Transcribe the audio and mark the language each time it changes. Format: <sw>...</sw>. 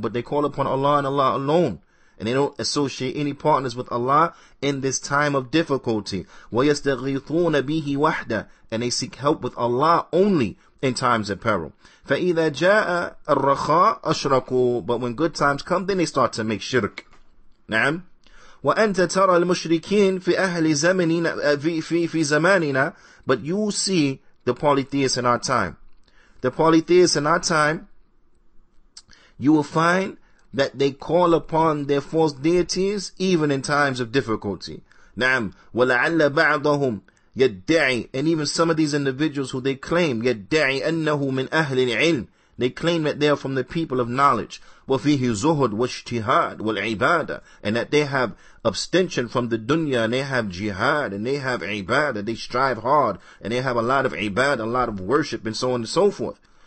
<en>But they call upon Allah and Allah alone, and they don't associate any partners with Allah in this time of difficulty.</en> <ar>وَيَسْتَغِيثُونَ بِهِ وَحْدًا.</ar> <en>And they seek help with Allah only in times of peril.</en> <ar>فَإِذَا جَاءَ الرَّخَاءُ أَشْرَكُوا.</ar> <en>But when good times come, then they start to make shirk.</en> <ar>نعم. وأنت ترى المشركين في أهل زمننا في زماننا.</ar> <en>But you see the polytheists in our time. The polytheists in our time, you will find that they call upon their false deities even in times of difficulty.</en> <ar>Naam, وَلَعَلَّ بَعْضَهُمْ يَدَّعِي.</ar> <en>And even some of these individuals who they claim,</en> <ar>يَدَّعِي أَنَّهُ مِنْ أَهْلِ الْعِلْمِ,</ar> <en>they claim that they are from the people of knowledge.</en> <ar>وَفِيهِ زُهُدْ وَاجْتِهَادْ وَالْعِبَادَةِ,</ar> <en>and that they have abstention from the dunya, and they have jihad, and they have ibadah, they strive hard, and they have a lot of ibadah, a lot of worship, and so on and so forth.</en>